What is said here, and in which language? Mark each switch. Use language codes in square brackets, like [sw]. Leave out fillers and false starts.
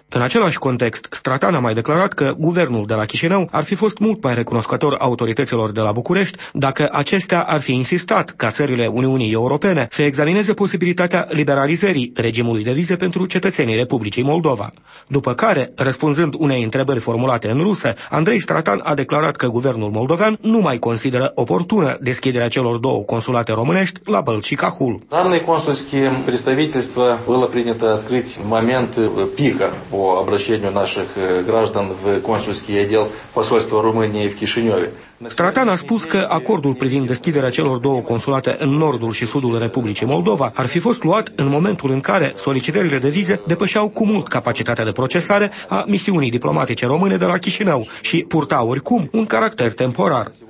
[ro] În același context, Stratan a mai declarat că guvernul de la Chișinău ar fi fost mult mai recunoscător autorităților de la București dacă acestea ar fi insistat ca țările Uniunii Europene să examineze posibilitatea liberalizării regimului de vize pentru cetățenii Republicii Moldova. După care, răspunzând unei întrebări formulate în rusă, Andrei Stratan a declarat că guvernul moldovean nu mai consideră oportună deschiderea celor două consulate românești la Bălț și Cahul. [ru] Данное консульское представительство было принято открыть в момент пика по обращению наших граждан в консульский отдел посольства Румынии в Кишиневе. [ro] Stratan a spus că acordul privind deschiderea celor două consulate în nordul și sudul Republicii Moldova ar fi fost luat în momentul în care solicitările de vize depășeau cu mult capacitatea de procesare a misiunii diplomatice române de la Chișinău și purta oricum un caracter temporar.